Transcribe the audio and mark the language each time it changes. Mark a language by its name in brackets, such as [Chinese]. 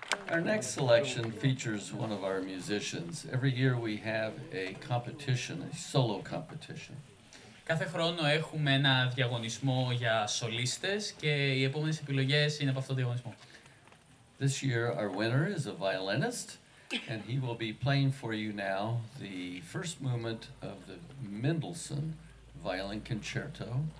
[English] Our next selection features one of our musicians. Every year we have a competition, a solo competition. [Greek] Κάθε χρόνο έχουμε ένα διαγωνισμό για σολίστες και οι επόμενες επιλογές είναι από αυτό το διαγωνισμό. [English] This year our winner is a violinist and he will be playing for you now the first movement of the Mendelssohn Violin Concerto.